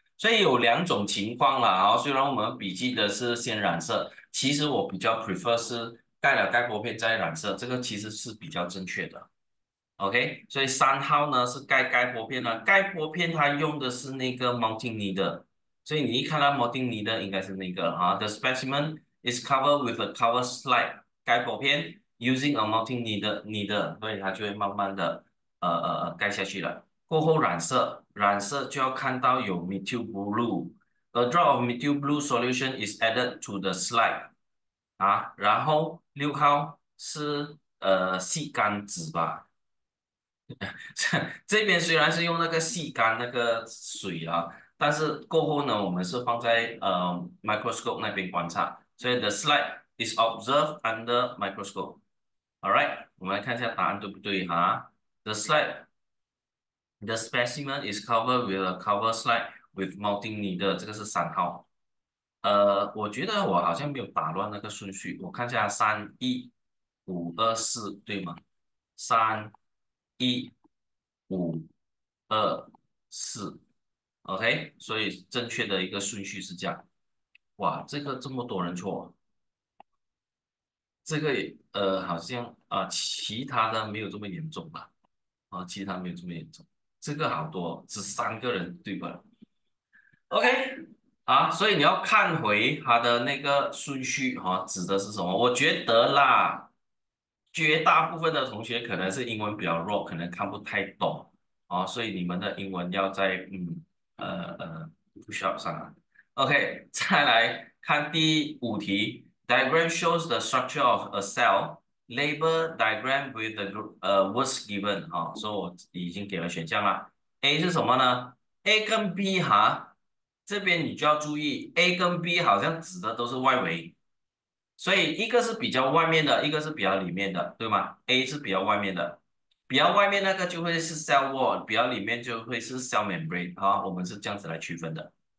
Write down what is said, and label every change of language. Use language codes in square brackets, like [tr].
[zh] 所以有两种情况啦，虽然我们笔记的是先染色，其实我比较 prefer 是盖了盖玻片再染色，这个其实是比较正确的。 OK，所以三号呢是盖玻片了，盖玻片它用的是那个 mounting needle，所以你一看到 mounting needle 应该是那个啊。 [en] The specimen is covered with a cover slide， [zh] 盖玻片 [en] using a mounting needle， [zh] 所以它就会慢慢的盖下去了。过后染色，染色就要看到有 methyl blue。 [en] A drop of methyl blue solution is added to the slide。 [zh] 啊，然后六号是细杆子吧？这边虽然是用那个细杆那个水啊，但是过后呢，我们是放在microscope 那边观察，所以 [en] the slide is observed under microscope。 All right， [zh] 我们来看一下答案对不对哈？ [en] The slide。 The specimen is covered with a cover slide with mounting needle。 [zh] 这个是三号。我觉得我好像没有打乱那个顺序。我看一下，三一五二四对吗？三一五、二、四，OK，所以正确的一个顺序是这样。哇，这个这么多人错，这个好像其他的没有这么严重吧？其他没有这么严重，这个好多，只3个人对吧？OK，所以你要看回他的那个顺序哈，指的是什么？我觉得啦。绝大部分的同学可能是英文比较弱，可能看不太懂哦，所以你们的英文要在Photoshop 上啊。 [en] OK， [zh] 再来看第五题， [en] Diagram shows the structure of a cell. Label diagram with the words given 啊， [zh] 所以我已经给了选项了。 A 是什么呢？A 跟 B 哈，这边你就要注意，A 跟 B 好像指的都是外围。所以一个是比较外面的，一个是比较里面的，对吗？A 是比较外面的，比较外面那个就会是 cell wall，比较里面就会是 cell membrane 啊，我们是这样子来区分的。